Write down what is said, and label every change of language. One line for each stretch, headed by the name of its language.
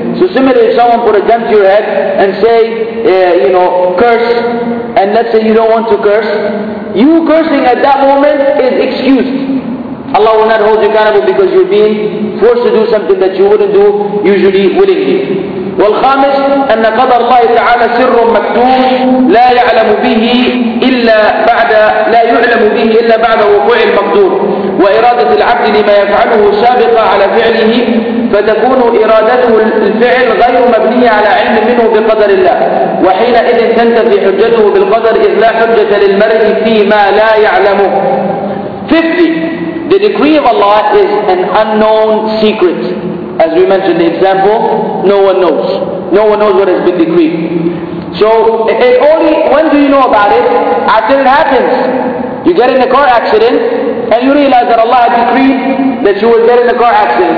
English: So similarly, if someone put a gun to your head and say, curse, and let's say you don't want to curse, you cursing at that moment is excused. Allah will not hold you accountable because you're being forced to do something that you wouldn't do usually willingly.
Arabic: والخامس أن قدر الله تعالى سر مكتوم لا يعلم به إلا بعد لا يعلم به إلا بعد وقوع المقدور وإرادة العبد لما يفعله سابقة على فعله فتكون إرادته الفعل غير مبنية على علم منه بقدر الله وحينئذ تنتفي حجته بالقدر إذ لا حجة للمرء فيما لا يعلمه. 50.
English: The decree of Allah is an unknown secret. As we mentioned the example, no one knows. No one knows what has been decreed. So, it only, when do you know about it? After it happens. You get in a car accident, and you realize that Allah had decreed that you would get in a car accident.